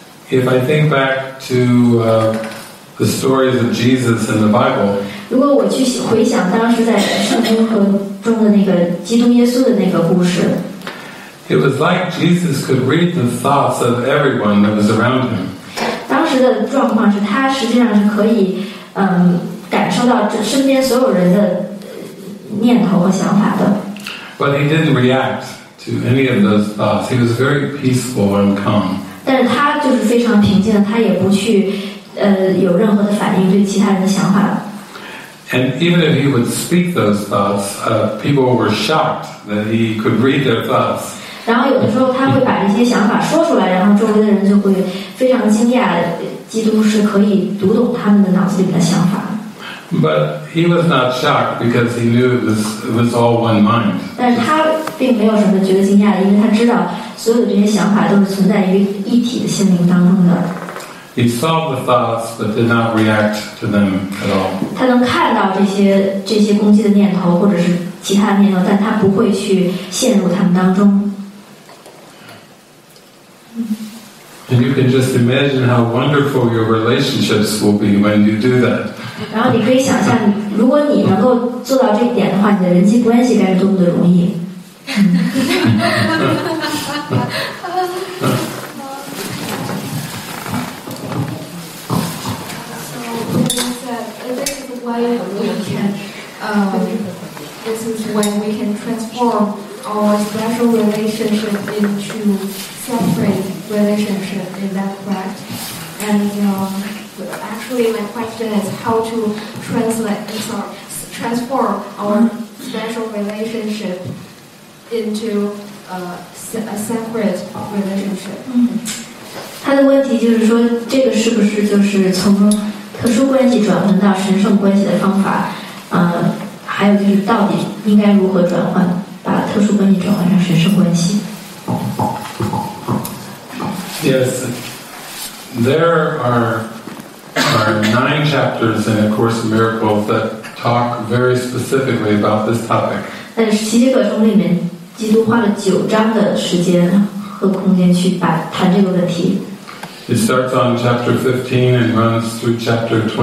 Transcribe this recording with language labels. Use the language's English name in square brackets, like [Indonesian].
[English] If I think back to the stories of Jesus in the Bible, [Chinese] 如果我去回想当时在圣经和中的那个基督耶稣的那个故事， [English] it was like Jesus could read the thoughts of everyone that was around him. [Chinese] 当时的状况是他实际上是可以感受到这身边所有人的念头和想法的。 [English] But he didn't react. To any of those thoughts, he was very peaceful and calm. [Chinese] 但是他就是非常平静的，他也不去有任何的反应对其他人的想法。 [English] And even if he would speak those thoughts, people were shocked that he could read their thoughts. [Chinese] 然后有的时候他会把一些想法说出来，然后周围的人就会非常惊讶，基督是可以读懂他们的脑子里面的想法。 [English] But he was not shocked because he knew it was all one mind. [Chinese] 但是他并没有什么觉得惊讶，因为他知道所有的这些想法都是存在于一体的心灵当中的。 [English] He saw the thoughts but did not react to them at all. [Chinese] 他能看到这些攻击的念头或者是其他念头，但他不会去陷入他们当中。 [English] And you can just imagine how wonderful your relationships will be when you do that. [Chinese] 然后你可以想象，如果你能够做到这一点的话，你的人际关系该是多么的容易。 [English] This is when we can transform our relationship into suffering relationship. Is that correct? And actually, my question is how to transform our special relationship into a separate relationship. [Chinese] 他的问题就是说，这个是不是就是从特殊关系转换到神圣关系的方法？还有就是到底应该如何转换，把特殊关系转换成神圣关系 [English] ？Yes, there are 9 chapters in A Course in Miracles that talk very specifically about this topic. [Chinese] 但是奇迹课程里面，基督花了9章的时间和空间去把谈这个问题。 [English] It starts on chapter 15 and runs through chapter